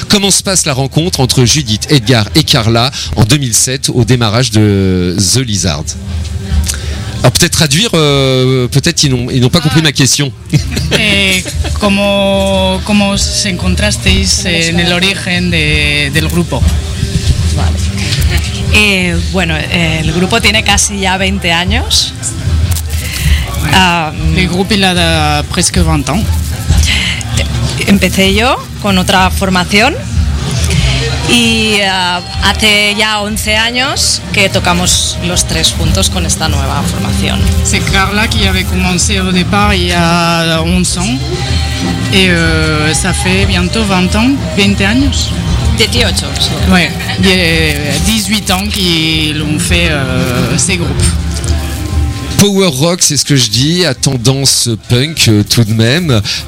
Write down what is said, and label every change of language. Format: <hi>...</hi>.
<fr>Comment se passe la rencontre entre Judith, Edgar et Carla en 2007 au démarrage de The Lizard? Alors peut-être traduire, peut-être ils n'ont pas compris ma question. Comment vous vous</fr> <es>encontrasteis</es> <fr>en l'origine du groupe?</fr> <es>Vale. Bueno,</es> <fr>le groupe</fr> <es>tiene casi ya 20 años.</es> <fr>Le groupe il a presque 20 ans.</fr> <es>Empecé yo con otra formación. Y hace ya 11 años que tocamos los tres juntos con esta nueva formación.</es> <fr>C'est Carla qui avait commencé au départ il y a 11 ans. Et ça fait bientôt 20 ans,</fr> <es>20 años. 18, sí.</es> <fr>Ouais, 18 ans qu'ils ont fait ces groupes. Power rock, c'est ce que je dis, à tendance punk tout de même.</fr>